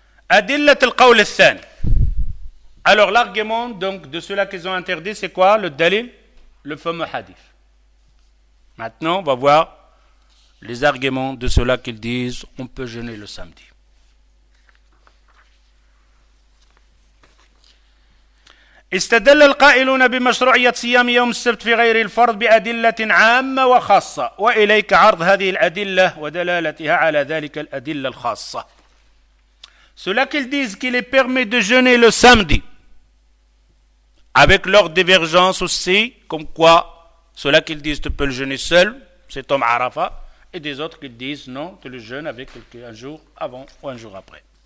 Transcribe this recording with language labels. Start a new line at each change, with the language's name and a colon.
Arabic: أدلة القول الثاني.
French: Alors l'argument donc de ceux-là qu'ils ont interdit, c'est quoi le dalil, le fameux hadith. Maintenant, on va voir les arguments de ceux-là qu'ils disent on peut jeûner le samedi.
Arabic: استدل القائلون بمشروعية صيام يوم السبت في غير الفرض بأدلة عامة وخاصة وإليك عرض هذه الأدلة ودلالتها على ذلك الأدلة الخاصة.
French: Ceux-là qu'ils disent qu'il est permis de jeûner le samedi, avec leur divergence aussi, comme quoi ceux-là qu'ils disent tu peux le jeûner seul, c'est Om Arafah, et des autres qu'ils disent non, tu le jeûnes avec un jour avant ou un jour après.